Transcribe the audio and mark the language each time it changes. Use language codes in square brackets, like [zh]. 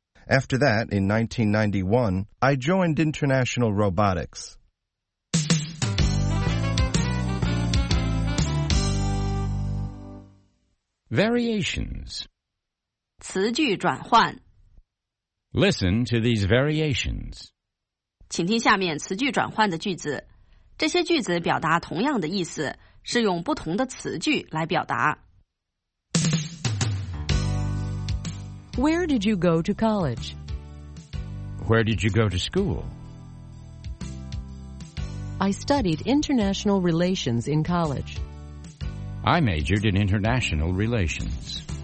[en] After that, in 1991, I joined International Robotics. Variations. [zh] 词句转换。 [en] Listen to these variations. [zh] 请听下面词句转换的句子。这些句子表达同样的意思，是用不同的词句来表达。 [en] Where did you go to college? Where did you go to school? I studied international relations in college. I majored in international relations.